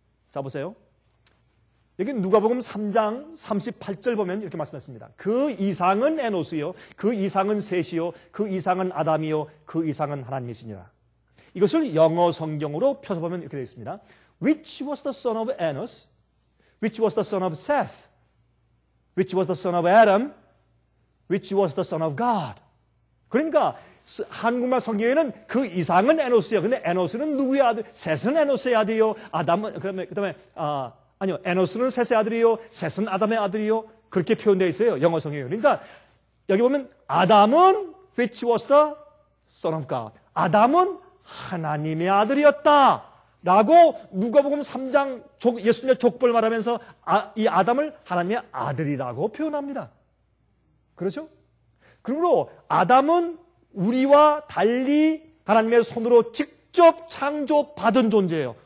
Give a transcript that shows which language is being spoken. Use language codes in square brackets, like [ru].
[ko] 자, 보세요. 여기 누가복음 3장 38절 보면 이렇게 말씀했습니다. 그 이상은 에노스요. 그 이상은 셋이요. 그 이상은 아담이요. 그 이상은 하나님이시니라. 이것을 영어 성경으로 펴서 보면 이렇게 되어 있습니다. [en] Which was the son of Enos? Which was the son of Seth? Which was the son of Adam? Which was the son of God? [ko] 그러니까 한국말 성경에는 그 이상은 에노스요. 근데 에노스는 누구의 아들? 셋은 에노스의 아들이요. 아담은 그다음에 아니요. 에노스는 셋의 아들이요. 셋은 아담의 아들이요. 그렇게 표현되어 있어요. 영어 성경에. 그러니까 여기 보면 아담은 [en] which was the son of God. [ko] 아담은 하나님의 아들이었다. 라고 누가복음 3장 예수님의 족보를 말하면서 이 아담을 하나님의 아들이라고 표현합니다. 그렇죠? 그러므로 아담은 우리와 달리 하나님의 손으로 직접 창조받은 존재예요.